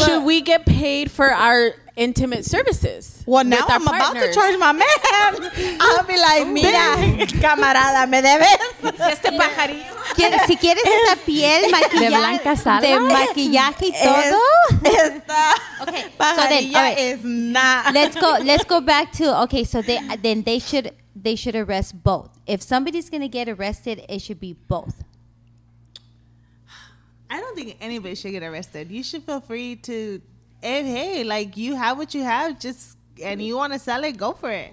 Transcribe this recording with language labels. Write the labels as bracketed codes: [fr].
[en] should we get paid for our intimate services? Well, now I'm about to charge my man. I'll be like, [es] mira, camarada, me debes. Este pajarillo. Si quieres esta piel de maquillaje y todo. [en] Let's go back to, so then they should arrest both. If somebody's going to get arrested, it should be both. I don't think anybody should get arrested. You should feel free to, you have what you have, and you want to sell it, go for it.